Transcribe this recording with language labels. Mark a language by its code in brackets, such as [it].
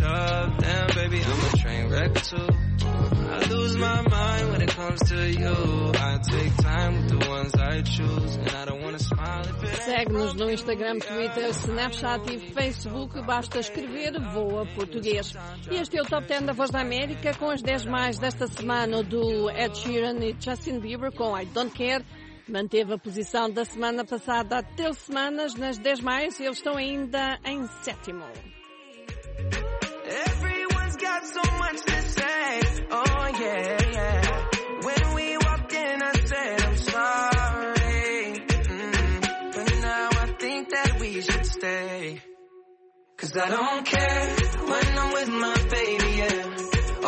[en] Damn, baby, I'm a train wreck too. I lose my mind when it comes to you. I take time with the ones I choose. And I don't wanna smile if it's. [pt] Segue-nos no Instagram, Twitter, Snapchat e Facebook. Basta escrever Voa Português. E este é o Top 10 da Voz da América, com as 10 mais desta semana do Ed Sheeran e Justin Bieber com I Don't Care. Manteve a posição da semana passada há 3 semanas nas 10 mais e eles estão ainda em sétimo. [en] Everyone's got so much to say, oh yeah, yeah. When we walked in I said I'm sorry, but now I think that we should stay. Cause I don't care when I'm with my baby, yeah.